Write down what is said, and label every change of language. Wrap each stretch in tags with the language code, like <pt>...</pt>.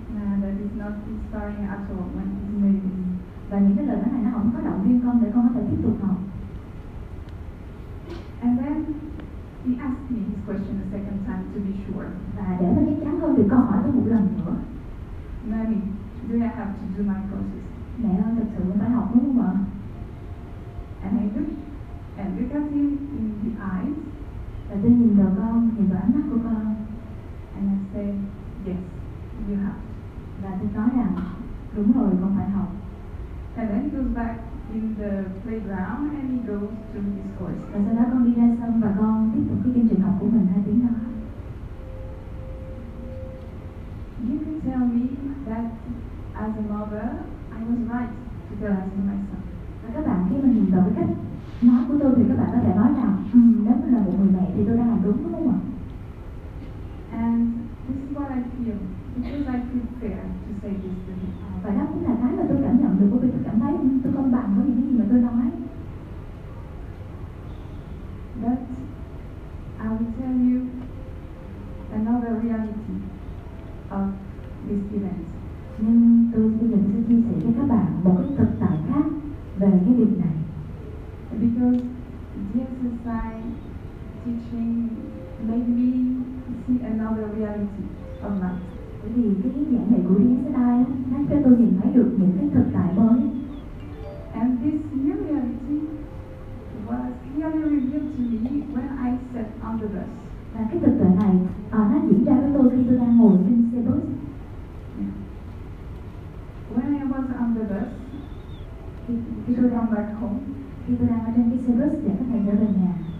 <en>That is not inspiring at all when it's made.</en> <vi>Và những cái lời nói này nó không có động viên con để con có thể tiếp tục học.</vi> <en>And then he asked me his question a second time to be sure.</en> <vi>Và để nó chắc chắn hơn thì con hỏi tôi một lần nữa.</vi> <en>Mommy, do I have to do my courses?</en> <vi>Mẹ ơi, thật sự con phải học đúng không ạ?</vi> <en>And look at him in the eyes.</en> <vi>Và tôi nhìn vào con, nhìn vào ánh mắt của con.</vi> <en>And I say, yes, you have.</en> <vi>Và tôi nói rằng, đúng rồi, con phải học.</vi> <en>And then he goes back in the playground and he goes to his course.</en> <vi>Và sau đó con đi ra sân và con tiếp tục cái chương trình học của mình 2 tiếng nữa.</vi> <en>You can tell me that as a mother, I was right to tell that to my son.</en> <vi>Và các bạn khi mà nhìn vào cái cách nói của tôi thì các bạn có thể nói rằng nếu mà là một người mẹ thì tôi đang làm đúng đúng không ạ?</vi> <en>And this is what I feel because I feel fair to say this to him.</en> <vi>Và đó cũng là cái mà tôi cảm nhận được, bởi vì tôi cảm thấy tôi công bằng với những gì mà tôi nói.</vi> <en>But I will tell you another reality of this event.</en> <vi>Nhưng tôi bây giờ sẽ chia sẻ cho các bạn một cái thực tại khác về cái việc này.</vi> <en>Because the exercise teaching made me see another reality of life.</en> <vi>Bởi vì cái giảng dạy của DSI nó cho tôi nhìn thấy được những cái thực tại mới.</vi> <en>And this new reality was clearly revealed to me when I sat on the bus.</en> <vi>Và cái thực tại này nó diễn ra với tôi khi tôi đang ngồi trên xe bus.</vi> <en>When I was on the bus,</en> <vi>khi tôi đang</vi> <en>back home,</en> <vi>khi tôi đang ở trên cái xe bus để có thể trở về nhà,</vi>